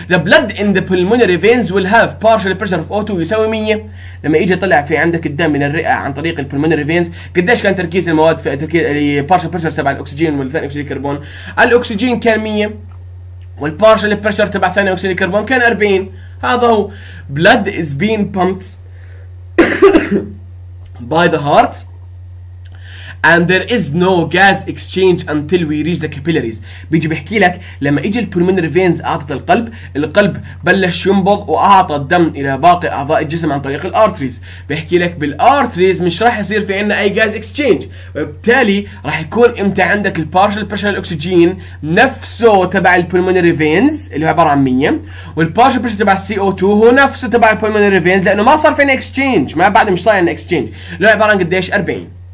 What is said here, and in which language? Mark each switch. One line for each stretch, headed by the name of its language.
English: The blood in the pulmonary veins will have partial pressure of O2 يساوي 100.
Arabic: لما يجي طلع في عندك الدم من الرئة عن طريق ال pulmonary veins قديش كان تركيز المواد في تركيز partial pressure تبع الأكسجين والثاني أكسيد الكربون؟ الأكسجين كان 100 والبارشل بريشر تبع ثاني أكسيد الكربون كان 40. هذا هو
English: blood is being pumped by the heart and there is no gas exchange until we reach the capillaries.
Arabic: بيجي بحكي لك لما اجي البولمونري فينز اعطت القلب، القلب بلش ينبض واعطى الدم الى باقي اعضاء الجسم عن طريق الارتريز. بحكي لك بالارتريز مش راح يصير في عندنا اي gas exchange، وبالتالي راح يكون امتى عندك البارشل بريشر الاكسجين نفسه تبع البولمونري فينز اللي هو عباره عن 100 والبارشل بريشر تبع السي او 2 هو نفسه تبع البولمونري فينز لانه ما صار في عندنا اكسشينج، ما بعد مش صاير عندنا اكسشينج، اللي هو عباره عن قديش؟ 40.